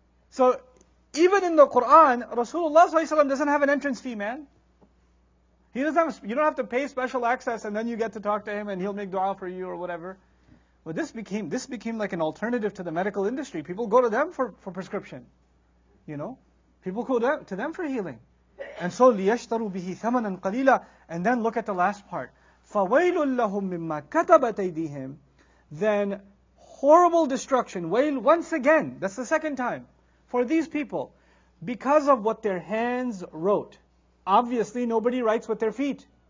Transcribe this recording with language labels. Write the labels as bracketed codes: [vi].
[en] So, even in the Qur'an, Rasulullah ﷺ doesn't have an entrance fee, man. He doesn't have, you don't have to pay special access and then you get to talk to him and he'll make dua for you or whatever. But this became like an alternative to the medical industry. People go to them for prescription. You know? People go to them for healing. And so, [ar] لِيَشْتَرُوا بِهِ ثَمَنًا قَلِيلًا. [en] And then look at the last part. [ar] فَوَيْلٌ لَهُمْ مِمَّا كَتَبَتْ أَيْدِيهِمْ. [en] Then, horrible destruction. Wail once again. That's the second time. For these people. Because of what their hands wrote. Obviously, nobody writes with their feet.